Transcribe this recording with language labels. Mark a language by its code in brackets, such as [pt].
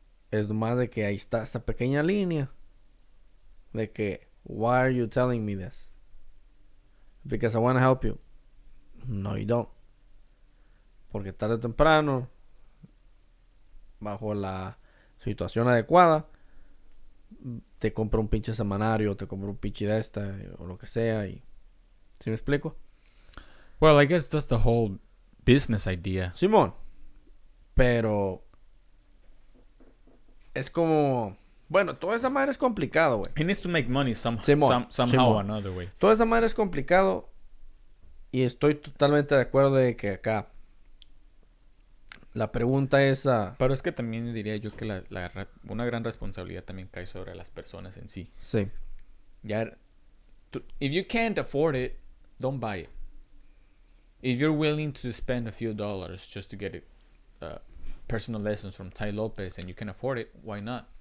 [es] Es más de que [en] ahí está esta pequeña línea de que why are you telling me this? Because I want to help you. No, you don't. [es] Porque tarde o temprano, bajo la situación adecuada, te compra un pinche semanario, te compra un pinche de esta, o lo que sea, y... ¿Sí me explico? [en] Well, I guess that's the whole business idea. [es] Simón, pero... Es como... Bueno, toda esa madre es complicado, güey. [en] He needs to make money somehow or another way. [es] Toda esa madre es complicado, y estoy totalmente de acuerdo de que acá... La pregunta es... Pero es que también diría yo que una gran responsabilidad también cae sobre las personas en sí. Sí. [en] Ya, if you can't afford it, don't buy it. If you're willing to spend a few dollars just to get it, personal lessons from Tai López and you can afford it, why not?